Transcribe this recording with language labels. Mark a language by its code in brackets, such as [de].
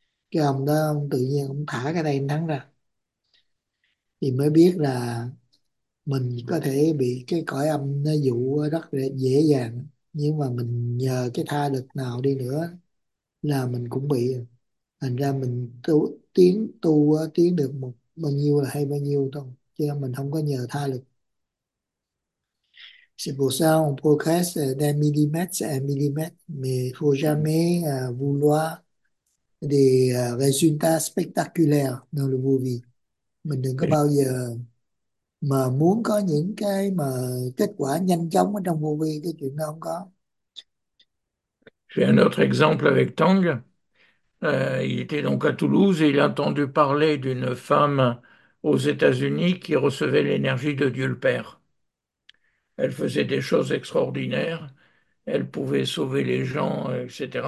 [vi] Cái ông đó ông tự nhiên ông thả cái tay anh Thắng ra, thì mới biết là mình có thể bị cái cõi âm nó dụ rất dễ dàng, nhưng mà mình nhờ cái tha lực nào đi nữa là mình cũng bị. Thành ra mình tiến được một bao nhiêu là hay bao nhiêu thôi, chứ mình không có nhờ tha lực. [fr] C'est pour ça qu'on progresse d'un millimètre à millimètre, mais faut jamais vouloir des résultats spectaculaires dans le vô vi. [vi] Mình đừng có bao giờ mà muốn có những cái mà kết quả nhanh chóng ở trong vô vi, cái chuyện đó không có. [fr] J'ai un autre exemple avec Tang. Il était donc à Toulouse et il a entendu parler d'une femme aux États-Unis qui recevait l'énergie de Dieu le Père. Elle faisait des choses extraordinaires, elle pouvait sauver les gens, etc.